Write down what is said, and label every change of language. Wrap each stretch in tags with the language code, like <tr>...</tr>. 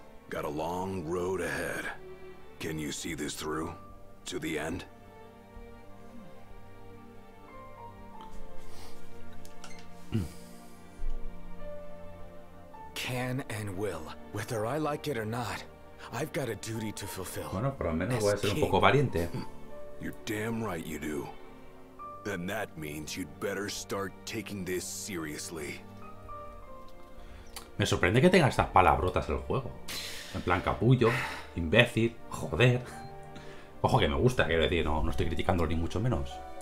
<en>Got a long road ahead. Can you see this through? To the end? Can and will, whether I like it or not. I've got a duty to fulfill.</en> <es>Bueno, por lo menos voy a ser un poco valiente.</es> <en>You're damn right you do. Then that means you'd better start taking this seriously.</en> <es>Me sorprende que tenga estas palabrotas el juego. En plan capullo, imbécil, joder. Ojo que me gusta, quiero decir, no estoy criticándolo ni mucho menos.</es>